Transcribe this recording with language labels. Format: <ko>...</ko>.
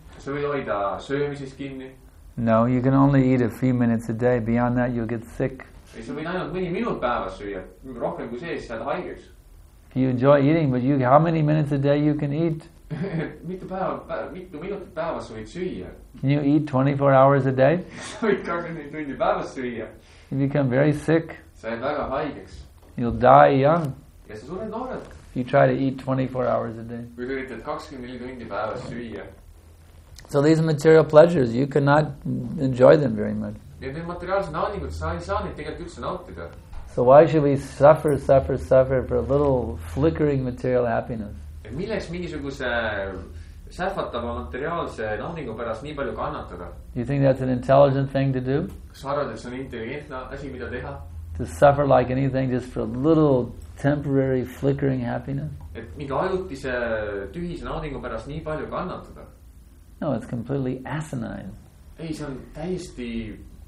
<et>Kas sa võid hoida söömisest kinni?</et> <en>No, you can only eat a few minutes a day. Beyond that, you'll get sick.</en> <et>Ei, sa võid ainult mõni minut päevas süüa. Rohkem kui sees, saad haigeks.</et> <en>You enjoy eating, but you, how many minutes a day you can eat?</en> <et>Mitu minutit päevas võid süüa.</et> <en>Can you eat 24 hours a day?</en> <et>Sa võid 20 tundi päevas süüa.</et> <en>You become very sick.</en> <et>Sa jääd väga haigeks.</et> <en>You'll die young.</en> <et>Ja sa suured noored.</et> <en>You try to eat 24 hours a day.</en> <et>Kui üritad 24 tundi päevas süüa.</et> <en>So these material pleasures, you cannot enjoy them very much.</en> <et>Ja need materiaalsed naudingud, sa ei saa neid tegelikult üldse nautida.</et> <en>So why should we suffer for a little flickering material happiness?</en> <et>Milleks mingisuguse sähvatava materiaalse naudingu pärast nii palju kannatada?</et> <en>Do you think that's an intelligent thing to do?</en> <et>Sa arvad, et see on intelligentne asi, mida teha?</et> <en>To suffer like anything just for a little temporary flickering happiness?</en> <et>Et mingi ajutise tühise naudingu pärast nii palju kannatada?</et> <en>No, it's completely asinine.</en> <et>Ei, see on täiesti</et>